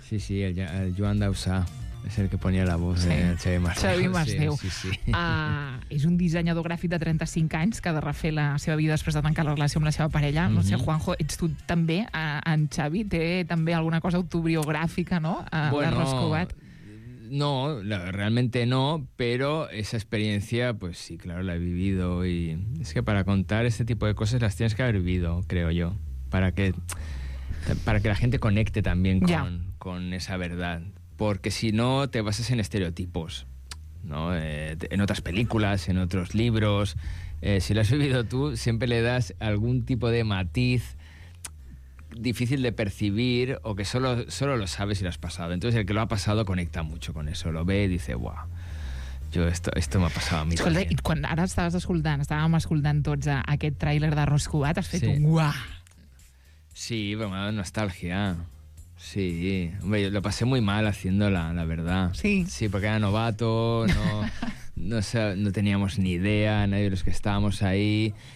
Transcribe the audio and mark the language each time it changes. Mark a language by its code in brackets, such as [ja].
[ca] Sí, sí, el Joan Dausà és el que ponia [es] la voz, [ca] sí. Xavi Mas. Xavi Mas, sí, Déu. Sí, sí. És un dissenyador gràfic de 35 anys que ha de refer la seva vida després de tancar la relació amb la seva parella. Mm-hmm. No sé, Juanjo, ets tu també, en Xavi, té també alguna cosa autobiogràfica, no? Bueno, Arròs Cubat. [es] No, realmente no, pero esa experiencia, pues sí, claro, la he vivido. Y es que para contar este tipo de cosas las tienes que haber vivido, creo yo, para que la gente conecte también con esa verdad. Porque si no, te basas en estereotipos, ¿no? En otras películas, en otros libros. Si lo has vivido tú, siempre le das algún tipo de matiz difícil de percibir o que solo lo sabes si lo has pasado. Entonces, el que lo ha pasado conecta mucho con eso. Lo ve y dice, guau. Jo, esto [ca] m'ha passat a mi. Escolta, i quan ara estàvem escoltant tots aquest tràiler d'Arròs Cubat, has fet un guau. [es] Sí, pero me ha dado nostalgia. Sí, hombre, yo lo pasé muy mal haciéndola, la verdad. Sí. Sí, porque era novato, no teníamos ni idea, nadie de los que estábamos ahí.